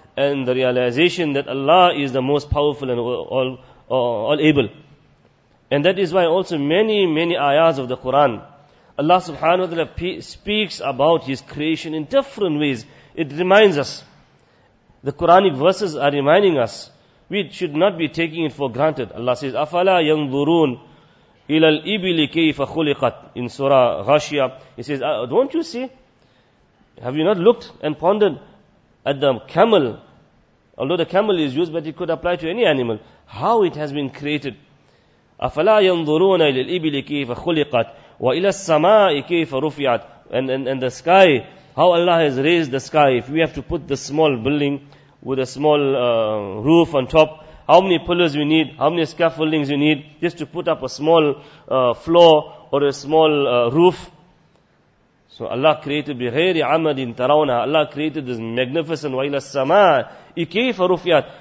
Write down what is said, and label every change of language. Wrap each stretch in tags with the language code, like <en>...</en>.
<en>and the realization that Allah is the most powerful and all able. And that is why also many, many ayahs of the Quran, Allah subhanahu wa ta'ala speaks about His creation in different ways. It reminds us. The Quranic verses are reminding us. We should not be taking it for granted. Allah says,</en> <ar>أَفَلَا يَنْظُرُونَ إِلَى الْإِبِلِ كَيْفَ خُلِقَتْ</ar> <en>in Surah Ghashiyah. He says, don't you see? Have you not looked and pondered at the camel? Although the camel is used, but it could apply to any animal. How it has been created?</en> <ar>أَفَلَا يَنْظُرُونَ إِلَى الْإِبِلِ كَيْفَ خُلِقَتْ وَإِلَى السَّمَاءِ كَيْفَ رُفِعَتْ</ar> <en>and the sky, how Allah has raised the sky. If we have to put the small building with a small roof on top, how many pillars we need, how many scaffoldings we need just to put up a small floor or a small roof. So Allah created</en> <ar>بِغَيْرِ عَمَدٍ تَرَوْنَا.</ar> <en>Allah created this magnificent</en> <ar>وَإِلَى السَّمَاءِ كَيْفَ رُفِعَتْ.</ar>